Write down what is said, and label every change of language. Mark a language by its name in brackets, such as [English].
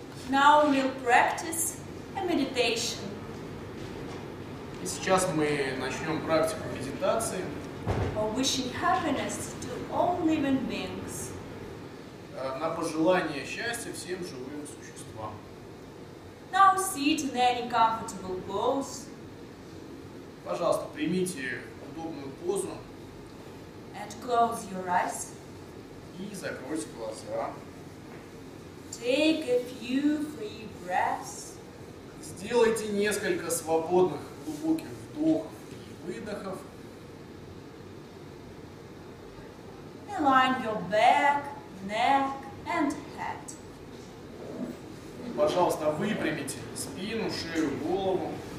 [English] Now we'll practice a meditation. [Russian] И сейчас мы начнем практику медитации. [English] For wishing happiness to all living beings. [Russian] На пожелание счастья всем живым существам. [English] Now sit in any comfortable pose. [Russian] Пожалуйста, примите удобную позу. [English] And close your eyes. [Russian] И закройте глаза. [English] Take a few free breaths. [Russian] Сделайте несколько свободных глубоких вдохов и выдохов. [English] Align your back, neck and head. [Russian] Пожалуйста, выпрямите спину, шею, голову.